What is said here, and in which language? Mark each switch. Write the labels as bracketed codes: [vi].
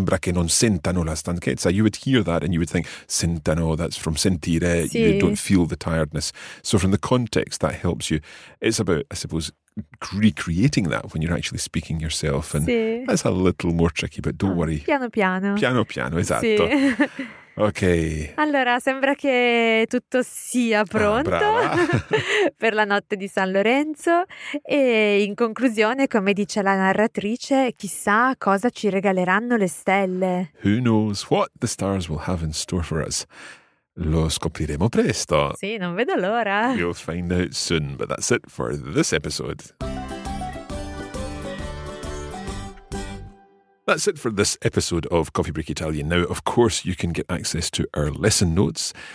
[it] Sembra che non sentano la stanchezza. [en] You would hear that and you would think, sentano, that's from sentire. [it] Sì. [en] You don't feel the tiredness. So from the context, that helps you. It's about, I suppose, recreating that when you're actually speaking yourself. And [it] sì. [en] That's a little more tricky, but don't worry. [it] Piano piano. Piano piano, esatto. Sì. Ok. Allora, sembra che tutto sia pronto per la notte di San Lorenzo e in conclusione, come dice la narratrice, chissà cosa ci regaleranno le stelle. [en] Who knows what the stars will have in store for us? [it] Lo scopriremo presto. Sì, non vedo l'ora. [en] We'll find out soon, but that's it for this episode. That's it for this episode of Coffee Break Italian. Now, of course, you can get access to our lesson notes